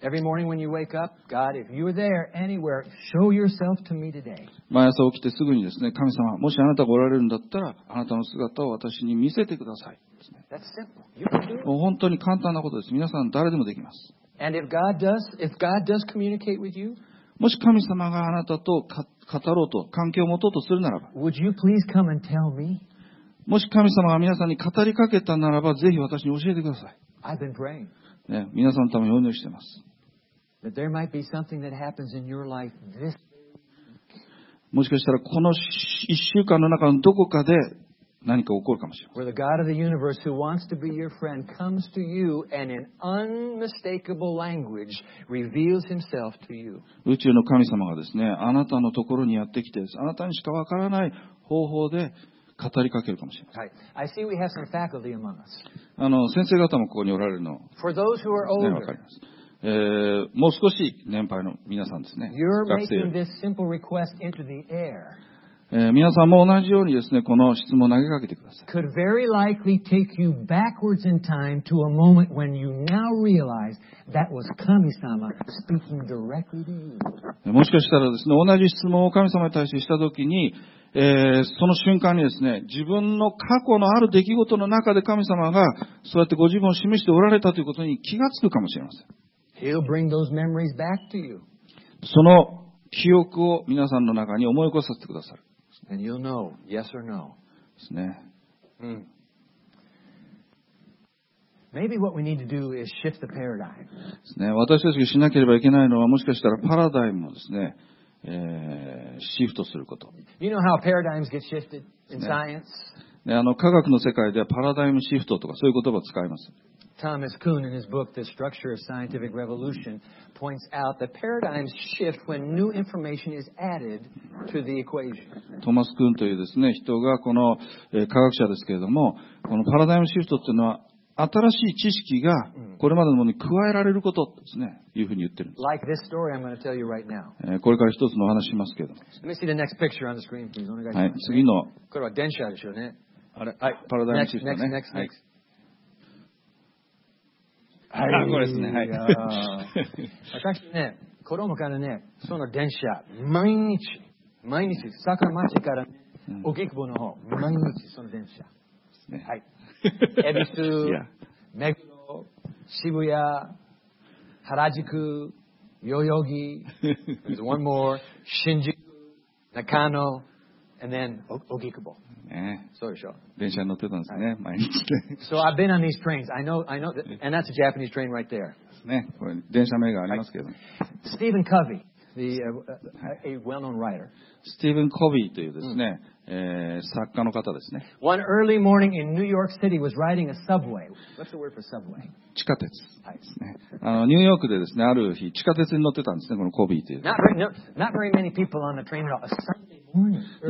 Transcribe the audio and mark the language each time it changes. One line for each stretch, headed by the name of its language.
English: Every morning when you wake up, God, if you're there anywhere, show yourself to me today.
Japanese: 毎朝起きてすぐにですね、神様、もしあなたがおられるんだったら、あなたの姿を私に見せてください。
English: That's simple. You can do it.
Japanese: もう本当に簡単なことです。皆さん、誰でもできます。
English: And if God does, if God does communicate with you,
Japanese: もし神様があなたと語ろうと関係を持とうとするならば、
English: would you please come and tell me?
Japanese: もし神様が皆さんに語りかけたならば、ぜひ私に教えてください。
English: I've been praying.
Japanese: ね、皆さんのためにお祈りしています。
English: That there might be something that happens in your life this week.
Japanese: もしかしたらこの一週間の中のどこかで何か起こるかもしれません。
English: Where the God of the universe who wants to be your friend comes to you and in unmistakable language reveals himself to you.
Japanese: 宇宙の神様がですね、あなたのところにやってきて、あなたにしかわからない方法で語りかけるかもしれません。
English: I see we have some faculty among us.
Japanese: 先生方もここにおられるの。
English: For those who are older,
Japanese: わかります。もう少し年配の皆さんですね。
English: You're making this simple request into the air.
Japanese: 皆さんも同じようにですね、この質問を投げかけてください。
English: Could very likely take you backwards in time to a moment when you now realize that was 神様 speaking directly to you.
Japanese: もしかしたらですね、同じ質問を神様に対してしたときに、その瞬間にですね、自分の過去のある出来事の中で神様がそうやってご自分を示しておられたということに気がつくかもしれません。
English: He'll bring those memories back to you.
Japanese: その記憶を皆さんの中に思い起こさせてくださる。
English: And you'll know, yes or no.
Japanese: ですね。
English: Maybe what we need to do is shift the paradigm.
Japanese: ですね。私たちがしなければいけないのは、もしかしたらパラダイムをですね、シフトすること。
English: You know how paradigms get shifted in science?
Japanese: ね、科学の世界ではパラダイムシフトとかそういう言葉を使います。
English: Thomas Kuhn in his book The Structure of Scientific Revolution points out that paradigms shift when new information is added to the equation.
Japanese: トマス・クーンというですね、人がこの科学者ですけれども、このパラダイムシフトというのは新しい知識がこれまでのものに加えられることですね、いうふうに言ってるんです。
English: Like this story I'm going to tell you right now.
Japanese: これから一つのお話しますけれども。
English: Let me see the next picture on the screen, please.
Japanese: お願いします。はい、次の。これは電車でしょうね。あれ、パラダイムシフトね。
English: Next, next, next, next.
Japanese: はい、私ね、子供からね、その電車、毎日、毎日、坂町から、ね、うん、荻窪の方、毎日、その電車。ね、はい。恵比寿、目黒、渋谷、原宿、代々木、
English: there's one more、
Japanese: 新宿、中野、
English: and then
Japanese: 荻窪。ね、そうでしょ。電車に乗ってたんですね、はい、毎日。
English: So I've been on these trains. I know, and that's a Japanese train right there.
Japanese: ね、これ電車名がありますけど。
English: Stephen Covey, the a well-known writer.
Japanese: Stephen Covey というですね、作家の方ですね。
English: One early morning in New York City was riding a subway. What's the word for subway?
Japanese: 地下鉄。はい、ですね。ニューヨークでですね、ある日地下鉄に乗ってたんですね、このコビーという。
English: Not very many people on the train at all.